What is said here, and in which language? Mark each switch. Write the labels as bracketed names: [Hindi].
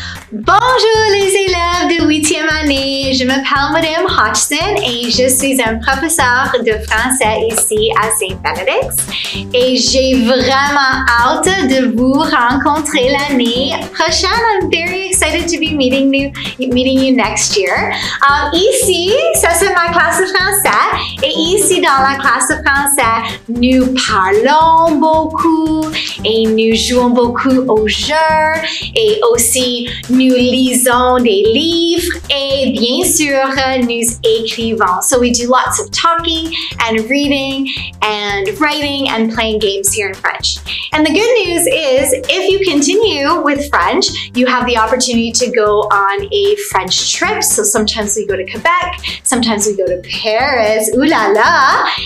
[French] Bonjour les élèves de 8e année, je m'appelle Madame Hodgson et je suis un professeur de français ici à Saint-Bénédicte et j'ai vraiment hâte de vous rencontrer l'année prochaine. [English] I'm very excited to be meeting you next year. [French] Ici, ça c'est ma classe de français et ici dans la classe de français, nous parlons beaucoup et nous jouons beaucoup aux jeux et aussi nous lisons des livres et bien sûr nous écrivons. [English] So we do lots of talking and reading and writing and playing games here in French. And the good news is if you continue with French, you have the opportunity to go on a French trip. So sometimes we go to Quebec, sometimes we go to Paris, ooh la la.